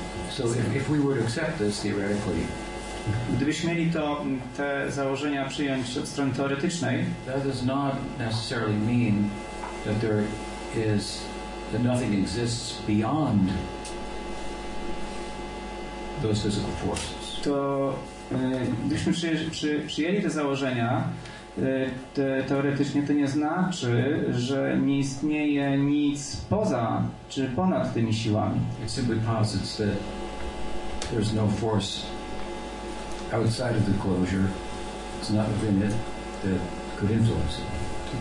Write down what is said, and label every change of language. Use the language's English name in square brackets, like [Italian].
[English] So if we were to accept this theoretically. [Polish] Gdybyśmy mieli to te założenia przyjąć od strony teoretycznej, [English] that does not necessarily mean that there is that nothing exists beyond those physical forces. [Polish] To gdybyśmy przyjęli te założenia teoretycznie, to nie znaczy, że nie istnieje nic poza czy ponad tymi siłami. [English] It simply posits that there's no force outside of the closure, it's not within it that could influence it.